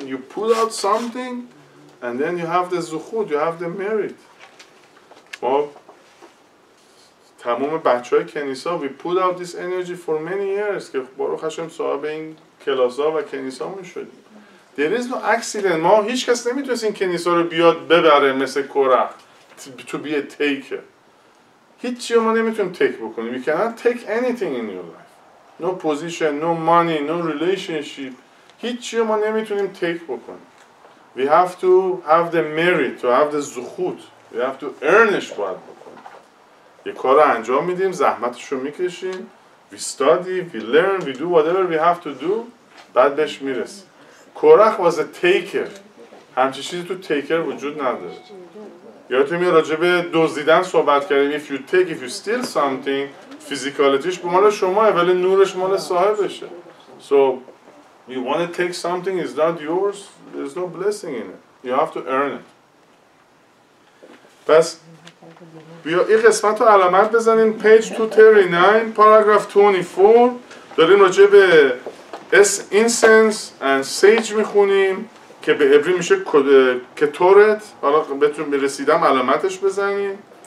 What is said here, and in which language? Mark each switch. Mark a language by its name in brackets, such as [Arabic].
[English] You put out something and then you have the زخود. You have the merit. [Persian] ما تمام بچه های کنیسا [English] we put out this energy for many years [Persian] که باروخ هشم صاحب این کلاس ها و کنیسا همون شدیم. [English] There is no accident. [Persian] ما هیچ کس نمیتونست این کنیسا رو بیاد ببره مثل کره [English] to be a taker. [Persian] هیچی ما نمیتونیم تک بکنیم. [English] You cannot take anything in your life. No position, no money, no relationship. [Persian] هیچی ما نمیتونیم تک بکنیم. [English] We have to have the merit, to have the زخوت. We have to earnish [Persian] باید بکنیم. یه کار رو انجام میدیم، زحمتش رو میکشیم. [English] We study, we learn, we do whatever we have to do. [Persian] بعد بهش میرسیم. [English] کورخ was a taker. [Persian] همچی چیزی تو taker وجود نداره. یادتون میاد راجب دزدیدن صحبت کردیم. [English] If you take, if you steal something, [Persian] فیزیکالیتیش مال شماه ولی نورش مال صاحبشه. [English] So, you want to take something, is not yours, there's no blessing in it. You have to earn it. [Persian] پس بیا این قسمت رو علامت بزنیم. [English] Page 239, paragraph 24. [Persian] داریم راجب [English] incense and sage [Persian] میخونیم. که به عبری میشه کتورت، حالا بهتون برسیدم علامتش بزنیم.